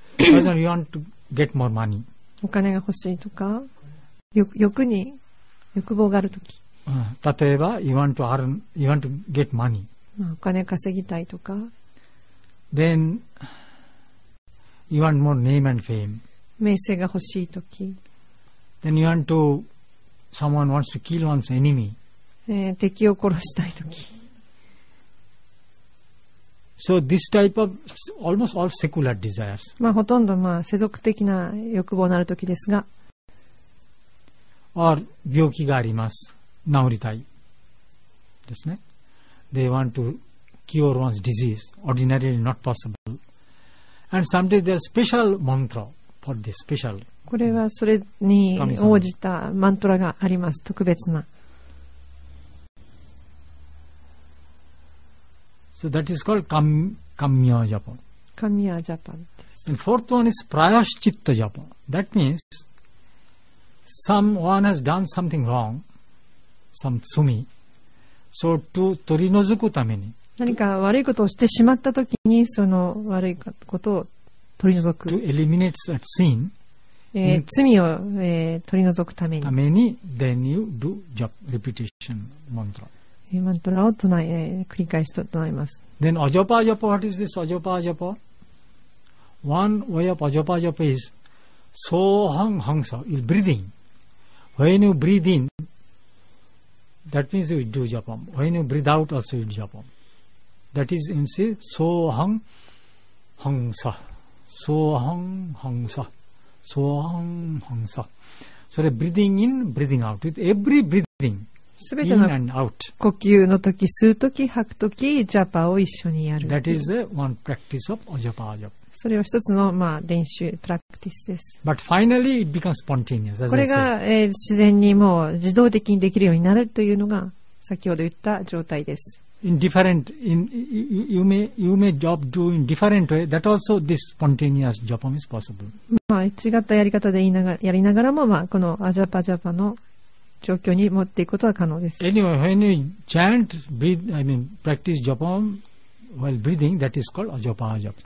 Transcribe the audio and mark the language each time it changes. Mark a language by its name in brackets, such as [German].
[English] For example, you want to get more money. [Japanese] お金が欲しいとか、欲に欲望があるとき。例えば、 [English] you want to get money. [Japanese] お金稼ぎたいとか。 [English] Then you want more name and fame. [Japanese] 名声が欲しいとき。 [English] Then you want to, someone wants to kill one's enemy. [Japanese] 敵を殺したいとき。 [English] So this type of almost all secular desires。 [Japanese] まあほとんどまあ世俗的な欲望のあるときですが。 Or 病気があります。治りたい。ですね。 [English] They want to cure one's disease. Ordinarily not possible. And someday there's special mantra for this special. [Japanese] これはそれに応じたマントラがあります。特別な。 [English] So that is called Kamya Japa. Kamya Japa. And fourth one is Prayashchitta Japa. That means someone has done something wrong, some sumi. So to [Japanese] 取り除くために。何か悪いことをしてしまったときにその悪いことを取り除く。 [English] To eliminate that sin. [Japanese] 罪を、取り除くために。ために、 [English] then you do japa, repetition mantra. [Japanese] マントラを唱え繰り返しと唱えます。 [English] Then ajapa japa, what is this ajapa japa? One way of ajapa japa is soham hamsa, you breathing. When you breathe in, that means you do japa. When you breathe out, also you do japa. That is in say soham hamsa, soham hamsa, soham hamsa. So the breathing in, breathing out, with every breathing. [Japanese] すべての呼吸の時、吸う時、吐く時、ジャパを一緒にやる。 [English] That is the one practice of ajapa ajapa. [Japanese] それは一つの、まあ、練習、プラクティスです。 [English] But finally it becomes spontaneous, as [Japanese] これが、自然にもう自動的にできるようになるというのが先ほど言った状態です。 [English] In different, you may do in different way. That also this spontaneous japa is possible. [Japanese] まあ、違ったやり方でやりながらも、まあ、このajapa ajapaの状況に持っていくことは可能です。 [English] Anyway, when you chant, breathe, I mean, practice japa while breathing, that is called ajapa ajapa.